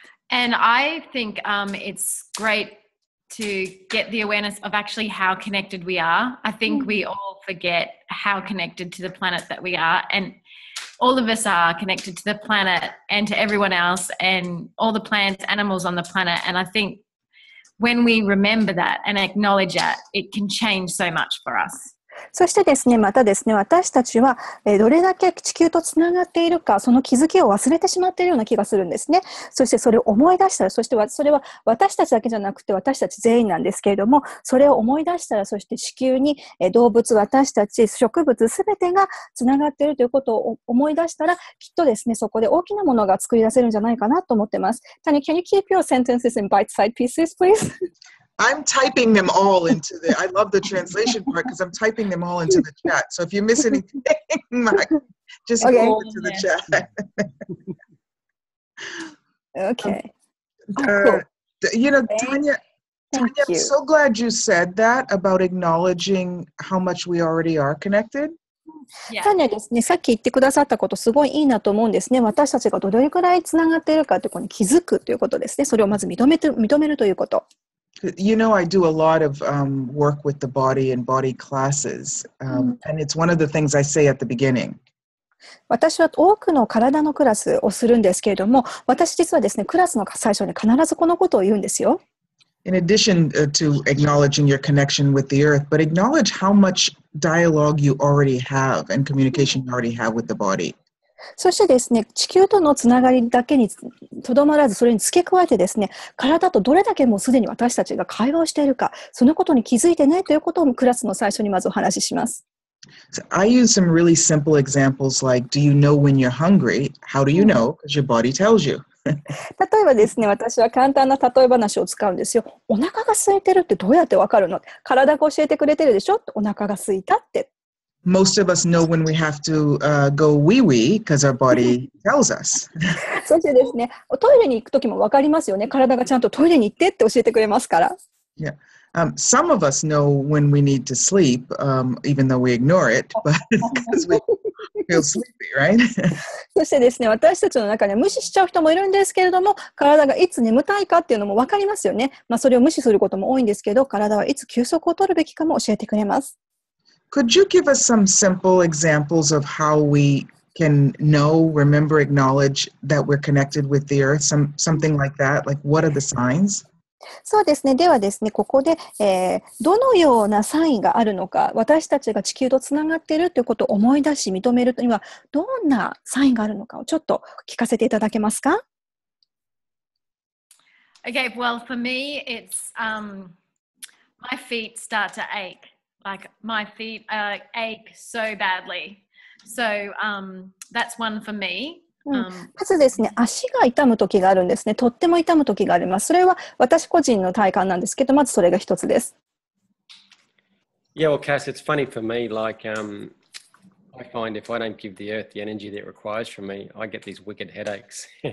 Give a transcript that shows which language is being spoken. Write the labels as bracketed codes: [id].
[en] And I think, it's great to get the awareness of actually how connected we are. I think we all forget how connected to the planet that we are. AndAll of us are connected to the planet and to everyone else and all the plants, animals on the planet. And I think when we remember that and acknowledge that, it can change so much for us. [ja] そしてですね、またですね、私たちはどれだけ地球とつながっているか、その気づきを忘れてしまっているような気がするんですね。そしてそれを思い出したら、そしてそれは私たちだけじゃなくて私たち全員なんですけれども、それを思い出したら、そして地球に動物、私たち、植物、すべてがつながっているということを思い出したら、きっとですね、そこで大きなものが作り出せるんじゃないかなと思ってます。 [en] Tanya, can you keep your sentences in bite-sized pieces, please? I'm typing them all into the, I love the translation part because I'm typing them all into the chat. So if you miss anything, Mark, just go into the chat. Okay. You know, Tanya, I'm so glad you said that about acknowledging how much we already are connected. [ja] タニアですね、さっき言ってくださったことすごいいいなと思うんですね。私たちがどれくらいつながっているかってことに気づくということですね。それをまず認めるということ。 [en] You know, I do a lot of work with the body and body classes, and it's one of the things I say at the beginning. [ja] 私は多くの体のクラスをするんですけれども、私実はですね、クラスの最初に必ずこのことを言うんですよ。 [en] In addition to acknowledging your connection with the earth, but acknowledge how much dialogue you already have and communication you already have with the body. [ja] そしてですね、地球とのつながりだけにとどまらず、それに付け加えてですね、体とどれだけもうすでに私たちが会話をしているか、そのことに気づいてねということをクラスの最初にまずお話しします。 [en] So、I use some really simple examples like, do you know when you're hungry? How do you know? Because your body tells you. [ja] 例えばですね、私は簡単な例え話を使うんですよ。お腹が空いてるってどうやってわかるの?体が教えてくれてるでしょ?お腹が空いたって。 [en] Most of us know when we have to go wee wee because our body tells us. [ja] そしてですね、トイレに行くときもわかりますよね。体がちゃんとトイレに行ってって教えてくれますから。 [en] Yeah. Some of us know when we need to sleep, even though we ignore it, but because we feel sleepy, right? [ja] そしてですね、私たちの中で無視しちゃう人もいるんですけれども、体がいつ眠たいかっていうのも分かりますよね。まあ、それを無視することも多いんですけど、体はいつ休息を取るべきかも教えてくれます。 [en] Could you give us some simple examples of how we can know, remember, acknowledge that we're connected with the earth? Something like that? Like, what are the signs? [ja] そうですね。ではですね、ここで、どのようなサインがあるのか、私たちが地球とつながっているということを思い出し認めるには、どんなサインがあるのかをちょっと聞かせていただけますか？ [en] Okay, well, for me, it's my feet start to ache. Like, my feet ache so badly. So, that's one for me. [ja] まずですね、足が痛む時があるんですね。とっても痛む時があります。それは私個人の体感なんですけど、まずそれが一つです。 [en] Yeah, well, Kass, it's funny for me. Like, I find if I don't give the earth the energy that it requires from me, I get these wicked headaches.